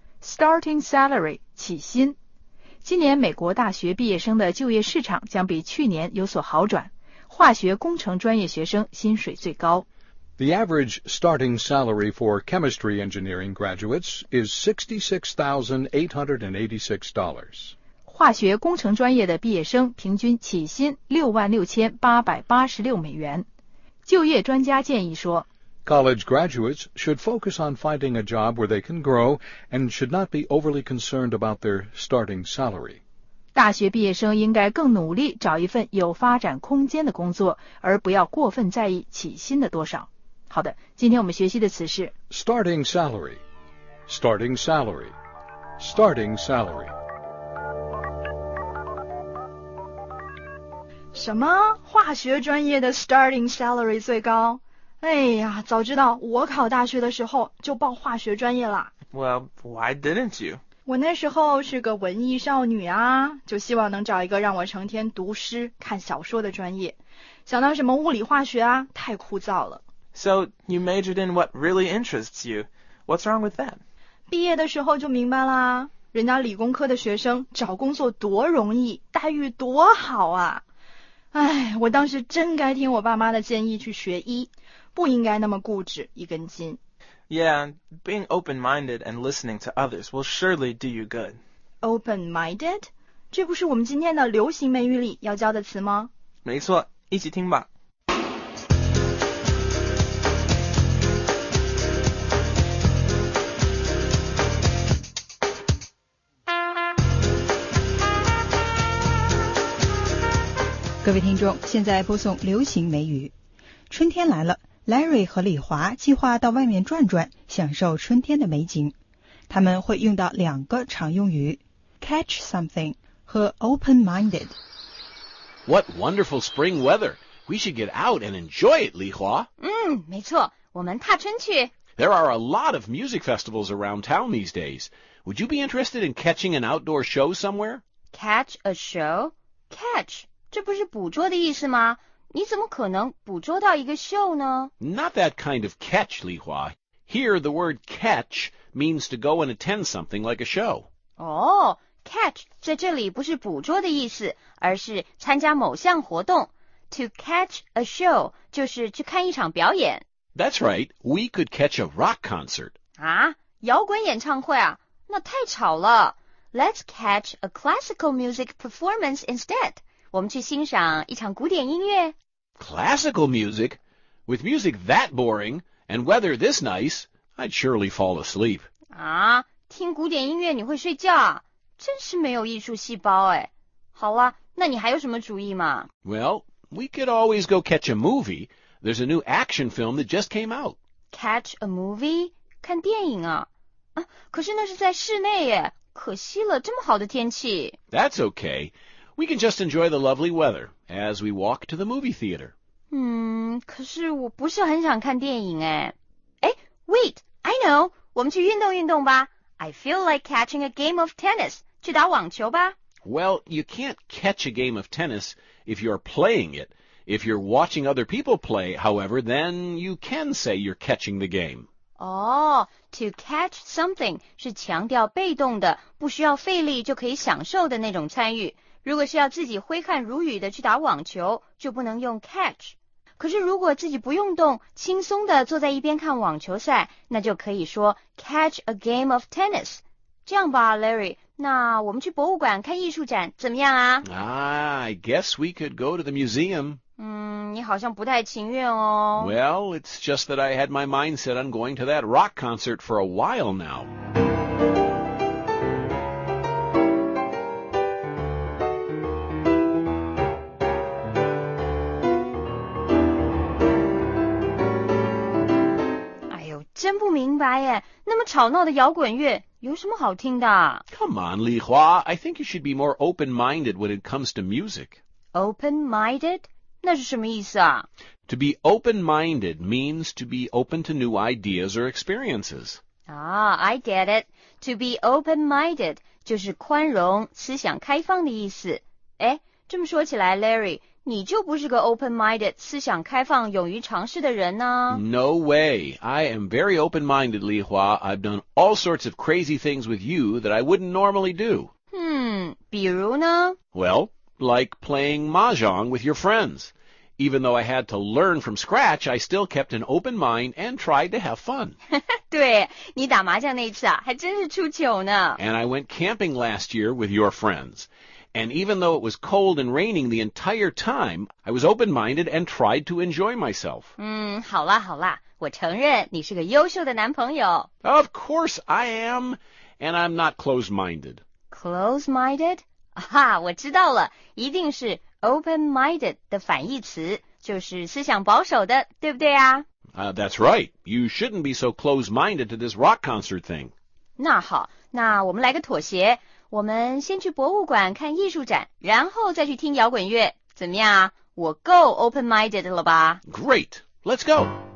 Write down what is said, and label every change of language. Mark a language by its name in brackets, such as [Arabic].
[English] Starting salary, [Chinese] 起薪。今年美国大学毕业生的就业市场将比去年有所好转。化学工程专业学生薪水最高。 [English] The average starting salary for chemistry engineering graduates is $66,886. [Chinese] 化学工程专业的毕业生平均起薪$66,886。就业专家建议说， [English] College graduates should focus on finding a job where they can grow and should not be overly concerned about their starting salary. [Chinese] 大学毕业生应该更努力找一份有发展空间的工作，而不要过分在意起薪的多少。好的，今天我们学习的词是 [English] starting salary, starting salary, starting salary。 [Chinese] 什么？化学专业的 starting salary 最高？哎呀，早知道我考大学的时候就报化学专业了。 [English] Well, why didn't you? [Chinese] 我那时候是个文艺少女啊，就希望能找一个让我成天读诗看小说的专业，想到什么物理化学啊，太枯燥了。 [English] So you majored in what really interests you. What's wrong with that? [Chinese] 毕业的时候就明白啦，人家理工科的学生找工作多容易，待遇多好啊。哎，我当时真该听我爸妈的建议去学医，不应该那么固执一根筋。 [English] Yeah, being open-minded and listening to others will surely do you good. Open-minded? [Chinese] 这不是我们今天的流行美语里要教的词吗？没错，一起听吧。各位听众，现在播送流行美语。春天来了。 Larry 和李华计划到外面转转，享受春天的美景。他们会用到两个常用语 catch something 和 open-minded。 [English] What wonderful spring weather! We should get out and enjoy it, 李华。 [Chinese] 嗯，没错，我们踏春去。 [English] There are a lot of music festivals around town these days. Would you be interested in catching an outdoor show somewhere? Catch a show? [Chinese] Catch, 这不是捕捉的意思吗？你怎么可能捕捉到一个秀呢？ [English] Not that kind of catch, 李华. Here, the word catch means to go and attend something like a show. [Chinese] Oh, catch 在这里不是捕捉的意思，而是参加某项活动。 [English] To catch a show [Chinese] 就是去看一场表演。 [English] That's right, we could catch a rock concert. [Chinese] 啊，摇滚演唱会啊，那太吵了。 [English] Let's catch a classical music performance instead. [Chinese] 我们去欣赏一场古典音乐。 [English] Classical music? With music that boring, and weather this nice, I'd surely fall asleep. [Chinese] 啊，听古典音乐你会睡觉啊？真是没有艺术细胞哎。好啦，那你还有什么主意吗？ [English] Well, we could always go catch a movie. There's a new action film that just came out. Catch a movie? [Chinese] 看电影啊？啊，可是那是在室内耶，可惜了，这么好的天气。 [English] That's okay. We can just enjoy the lovely weather as we walk to the movie theater. [Chinese] 可是我不是很想看电影哎。哎 , [English] wait, I know, [Chinese] 我们去运动运动吧。 [English] I feel like catching a game of tennis, [Chinese] 去打网球吧。 [English] Well, you can't catch a game of tennis if you're playing it. If you're watching other people play, however, then you can say you're catching the game. [Chinese] 哦、 [English] to catch something [Chinese] 是强调被动的，不需要费力就可以享受的那种参与。如果是要自己挥汗如雨的去打网球，就不能用 catch。可是如果自己不用动，轻松的坐在一边看网球赛，那就可以说 [English] catch a game of tennis。 [Chinese] 这样吧 ，Larry， 那我们去博物馆看艺术展怎么样啊 [English] ？I guess we could go to the museum。 [Chinese] 嗯，你好像不太情愿哦。 [English] Well, it's just that I had my mind set on going to that rock concert for a while now. [Chinese] 哎呦，真不明白耶，那么吵闹的摇滚乐有什么好听的？ [English] Come on, Li Hua, I think you should be more open-minded when it comes to music. [Chinese] Open-minded? 那是什么意思啊 [English] ？To be open-minded means to be open to new ideas or experiences. Ah, I get it. To be open-minded [Chinese] 就是宽容、思想开放的意思。哎，这么说起来 ，Larry， 你就不是个 open-minded、思想开放、勇于尝试的人呢 [English] ？No way. I am very open-minded, Li Hua. I've done all sorts of crazy things with you that I wouldn't normally do. [Chinese] 比如呢 [English] ？Well. Like playing mahjong with your friends. Even though I had to learn from scratch, I still kept an open mind and tried to have fun. [Chinese] 对，你打麻将那次啊，还真是出糗呢。 [English] And I went camping last year with your friends. And even though it was cold and raining the entire time, I was open-minded and tried to enjoy myself. [Chinese] 好啦好啦，我承认你是个优秀的男朋友。 [English] Of course I am, and I'm not close-minded. Close-minded? [Chinese] 啊，我知道了，一定是 open-minded 的反义词，就是思想保守的，对不对啊？ [English] That's right. You shouldn't be so close-minded to this rock concert thing. [Chinese] 那好，那我们来个妥协，我们先去博物馆看艺术展，然后再去听摇滚乐，怎么样啊？我够 open-minded 了吧 [English] ？Great. Let's go.